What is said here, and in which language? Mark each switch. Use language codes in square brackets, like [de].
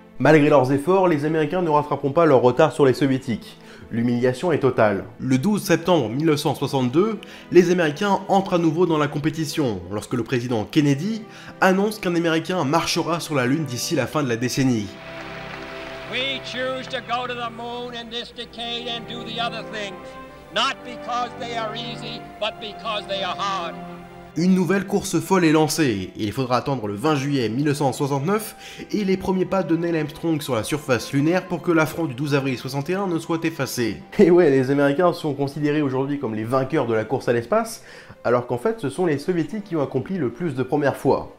[fr] Malgré leurs efforts, les Américains ne rattraperont pas leur retard sur les Soviétiques. L'humiliation est totale. Le 12 septembre 1962, les Américains entrent à nouveau dans la compétition lorsque le président Kennedy annonce qu'un Américain marchera sur la Lune d'ici la fin de la décennie. [en] We choose to go to the moon in this decade and do the other things. Not because they are easy, but because they are hard. [fr] Une nouvelle course folle est lancée. Il faudra attendre le 20 juillet 1969 et les premiers pas de Neil Armstrong sur la surface lunaire pour que l'affront du 12 avril 1961 ne soit effacé. Et ouais, les Américains sont considérés aujourd'hui comme les vainqueurs de la course à l'espace, alors qu'en fait, ce sont les Soviétiques qui ont accompli le plus de premières fois.